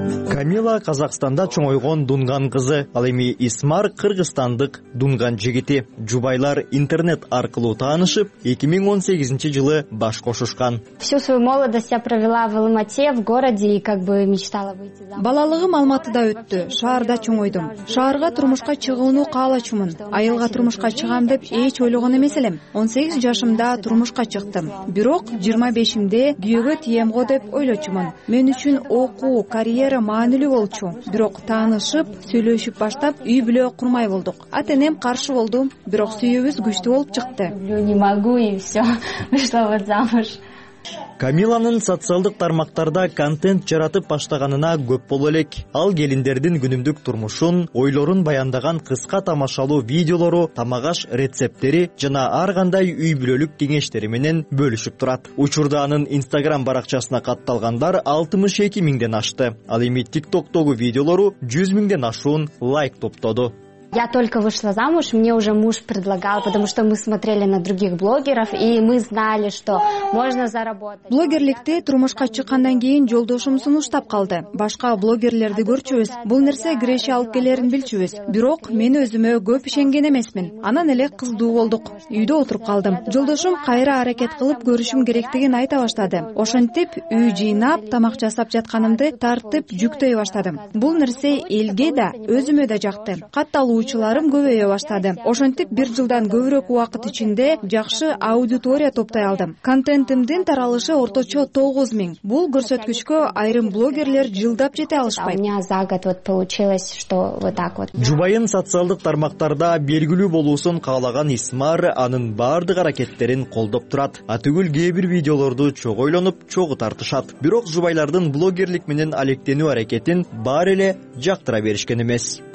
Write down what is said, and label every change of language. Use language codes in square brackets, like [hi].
[ky] Камила Казакстанда чоңойгон дунган кызы, ал эми Исмар кыргызстандык дунган жигити. Жубайлар интернет аркылуу таанышып, 2018 жылы баш кошушкан. [ru] Всю свою молодость я провела в Алмате, в городе и как бы мечтала выйти замуж. [ky] Балалыгым Алматыда өттү, шаарда чоңойдум. Шаарга турмушка чыгууну каалачумун. Айылга турмушка чыгам деп эч ойлогон эмес элем. 18 жашымда турмушка чыктым. Бирок 25-имде күйөөгө тийем го деп ойлочумун. Мен үчүн окуу, карьера маанилүү болчу. Бирок таанышып, сүйлөшүп баштап, үй бүлө курмай болдук. Ата-энем каршы болду, бирок сүйүүбүз күчтүү болуп чыкты. [ru] Не могу и всё. Вышла вот замуж. [ky] Камиланын социалдык тармактарда контент жаратып баштаганына көп боло элек. Ал келиндердин күнүмдүк турмушун, ойлорун баяндаган кыска тамашалуу видеолору, тамагаш рецепттери жана ар кандай үй бүлөлүк кеңештери менен бөлүшүп турат. Учурда анын Instagram баракчасына катталгандар 62 миңден ашты. Ал эми TikTok-тогу видеолору 100 миңден ашуун лайк топтоду. [ru] Я только вышла замуж, мне уже муж предлагал, потому что мы смотрели на других блогеров и мы знали, что можно заработать. [ky] Блогерликте турмушка чыккандан кийин жолдошум сунуштап калды. Башка блогерлерди көрчүбүз. Бул нерсе греши алып келерин билчүбүз. Бирок мен өзүмө көп ишенген эмесмин. Анан эле кыздуу болдук. Үйдө отуруп калдым. Жолдошум кайра аракет кылып көрүшүм керектигин айта баштады. Ошентип үй жыйнап, тамак жасап жатканымды тартып жүктөй баштадым. Бул нерсе элге да, өзүмө да жакты. Катта алуучуларым көбөйө баштады. Ошентип бир жылдан көбүрөөк убакыт ичинде жакшы аудитория топтой алдым. Контентимдин таралышы орточо 9000. Бул көрсөткүчкө айрым блогерлер жылдап жете алышпайт. [ru] У меня за год вот получилось, что вот так вот. [ky] Жубайын социалдык тармактарда белгилүү болуусун каалаган Исмар анын баардык аракеттерин колдоп турат. Атүгүл кээ бир видеолорду чогойлонуп, чогу тартышат. Бирок жубайлардын блогерлик менен алектенүү аракетин баары эле жактыра беришкен эмес.